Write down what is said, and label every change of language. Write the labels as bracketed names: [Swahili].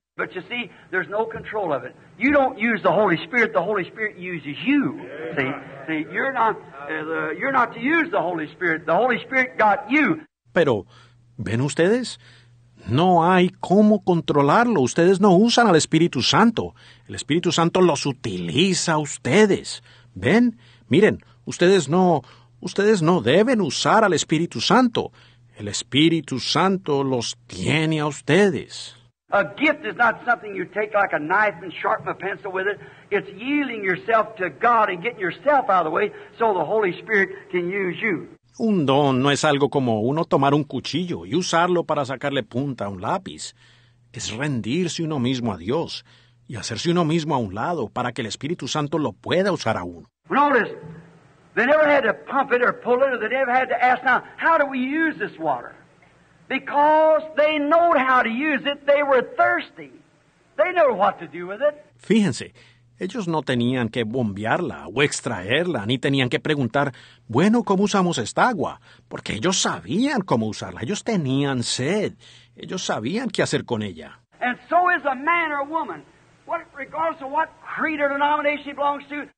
[English] But you see, there's no control of it. You don't use the Holy Spirit uses you, see. You're not to use the Holy Spirit got you. [Spanish] Pero, ¿ven ustedes? No hay cómo controlarlo. Ustedes no usan al Espíritu Santo. El Espíritu Santo los utiliza a ustedes. ¿Ven? Miren, ustedes no deben usar al Espíritu Santo. El Espíritu Santo los tiene a ustedes. [English] A gift is not something you take like a knife and sharpen a pencil with it. It's yielding yourself to God and getting yourself out of the way so the Holy Spirit can use you. [Spanish] Un don no es algo como uno tomar un cuchillo y usarlo para sacarle punta a un lápiz. Es rendirse uno mismo a Dios y hacerse uno mismo a un lado para que el Espíritu Santo lo pueda usar a uno. [English] Notice, They never had to pump it or pull it, or they never had to ask, now, how do we use this water? Because they know how to use it. They were thirsty. They know what to do with it. [Spanish] Fíjense, ellos no tenían que bombearla o extraerla, ni tenían que preguntar, bueno, ¿cómo usamos esta agua? Porque ellos sabían cómo usarla. Ellos tenían sed. Ellos sabían qué hacer con ella. [English] And so is a man or a woman. What, regardless of what creed or denomination he belongs to.